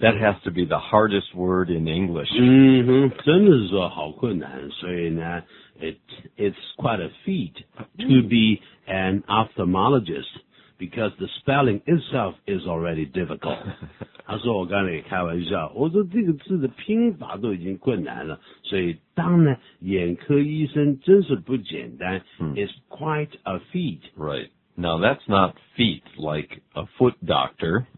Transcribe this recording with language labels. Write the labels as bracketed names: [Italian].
[English] That has to be the hardest word in English. [Chinese] 真的是好困难，所以呢 [English] It's quite a feat to be an ophthalmologist because the spelling itself is already difficult. [Chinese] 他说我刚才也开玩笑，我说这个字的拼法都已经困难了，所以当呢眼科医生真是不简单。 [English] It's quite a feat. Right. Now that's not feat like a foot doctor.